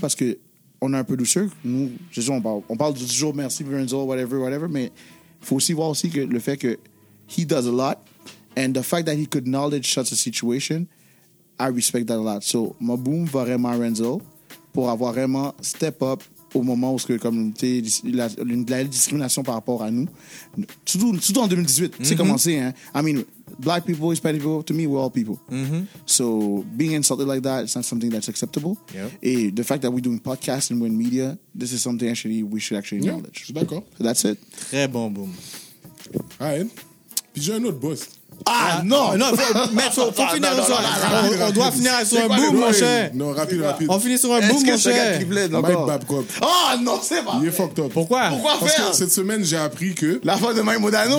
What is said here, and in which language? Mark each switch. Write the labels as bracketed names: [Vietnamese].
[French] Parce qu'on est un peu douceux. Nous, c'est sûr, on parle toujours merci, Brunzo, [English] whatever, whatever, [French] mais il faut aussi voir aussi que le fait que [English] he does a lot, [French] and the fact that he could acknowledge such a situation, I respect that a lot. So, ma boom va vraiment à Renzo pour avoir vraiment [English] step up [French] au moment où comme, la discrimination par rapport à nous. Surtout en 2018, c'est commencé. Hein? [English] I mean, black people, Hispanic people, to me, we're all people. Mm-hmm. So, being insulted like that, it's not something that's acceptable. Yep. [French] Et [English] the fact that we're doing podcasts and we're in media, this is something actually we should actually acknowledge. Yeah, [French] d'accord. [English] So that's it. [French] Très bon boom. [English] All right. [French] Puis j'ai un autre boss. On doit finir sur un boom, mon cher. On finit sur un boom, mon cher. Mike Babcock. Ah non, c'est pas. Il est [English] fucked up. [French] Pourquoi? Pourquoi faire? Cette semaine, j'ai appris que. La fin de Mike Modano.